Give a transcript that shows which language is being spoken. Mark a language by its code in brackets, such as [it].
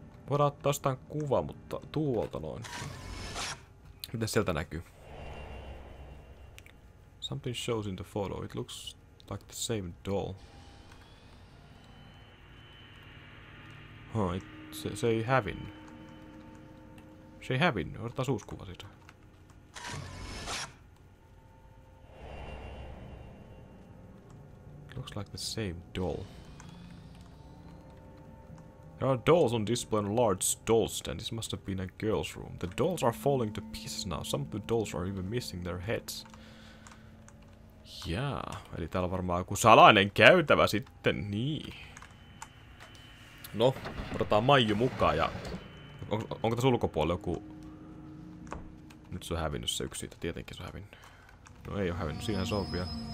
[fi] Voidaan ottaa jostain kuva, mutta tuolta noin. Miten sieltä näkyy? [en] Something shows in the photo. It looks like the same doll. [fi] Se ei hävinnyt. Se ei hävinnyt. Otetaan uusi kuva siitä. [en] Looks like the same doll. There are dolls on display on a large doll stand. This must have been a girl's room. The dolls are falling to pieces now. Some of the dolls are even missing their heads. [fi] Jaa, eli täällä on varmaan joku salainen käytävä sitten, niin. No, odotetaan Maiju mukaan ja... Onko tässä ulkopuolella joku... Nyt se on hävinnyt se yksi siitä, tietenkin se on hävinnyt. No ei oo hävinnyt, siinähän se on vielä.